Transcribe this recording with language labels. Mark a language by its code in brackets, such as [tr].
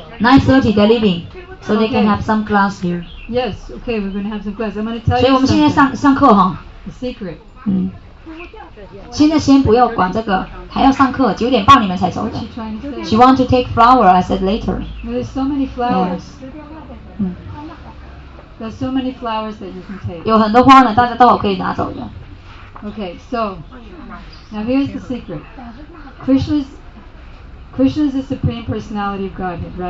[en] 9:30 they're leaving, so they can have some class here. Yes, okay, we're going to have some class. I'm going to tell you. [zh] 所以我们现在上课 [en] The secret. [zh] 现在先不要管这个，还要上课，九点半你们才走的。 [en] She want to take flower. I said later. There's so many flowers. There's so many flowers that you can take. [zh] 有很多花呢，大家都可以拿走的。 [en] Okay, so now here's the secret. Krishna is the Supreme Personality of Godhead, right?